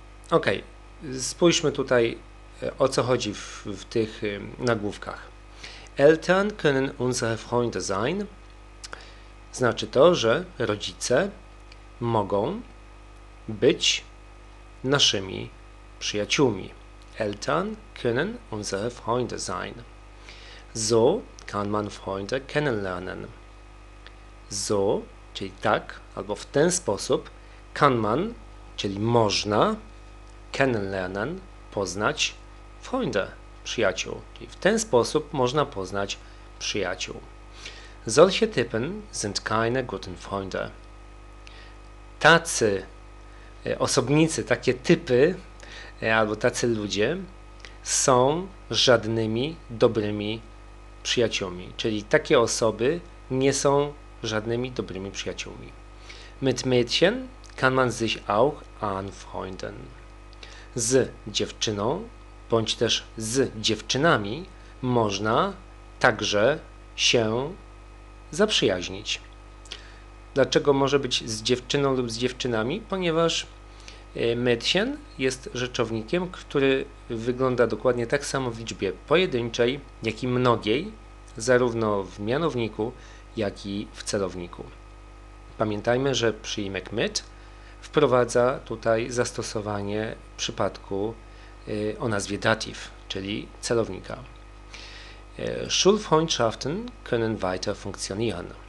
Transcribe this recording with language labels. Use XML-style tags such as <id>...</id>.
<pl>Ok, spójrzmy tutaj, o co chodzi w tych nagłówkach.</pl> <de>Eltern können unsere Freunde sein.</de> <pl>Znaczy to, że rodzice mogą być naszymi przyjaciółmi.</pl> <de>Eltern können unsere Freunde sein. So kann man Freunde kennenlernen.</de> <pl>So, czyli tak, albo w ten sposób,</pl> <de>kann man,</de> <pl>czyli można, kennenlernen, poznać Freunde, przyjaciół. Czyli w ten sposób można poznać przyjaciół.</pl> <de>Solche Typen sind keine guten Freunde.</de> <pl>Tacy osobnicy, takie typy, albo tacy ludzie są żadnymi dobrymi przyjaciółmi. Czyli takie osoby nie są żadnymi dobrymi przyjaciółmi.</pl> <de>Mit Mädchen kann man sich auch anfreunden.</de> <pl>Z dziewczyną, bądź też z dziewczynami można także się zaprzyjaźnić. Dlaczego może być z dziewczyną lub z dziewczynami? Ponieważ Mädchen jest rzeczownikiem, który wygląda dokładnie tak samo w liczbie pojedynczej, jak i mnogiej, zarówno w mianowniku, jak i w celowniku. Pamiętajmy, że przyimek mit wprowadza tutaj zastosowanie w przypadku o nazwie dativ, czyli celownika.</pl> <de>Schulfreundschaften können weiter funktionieren.</de>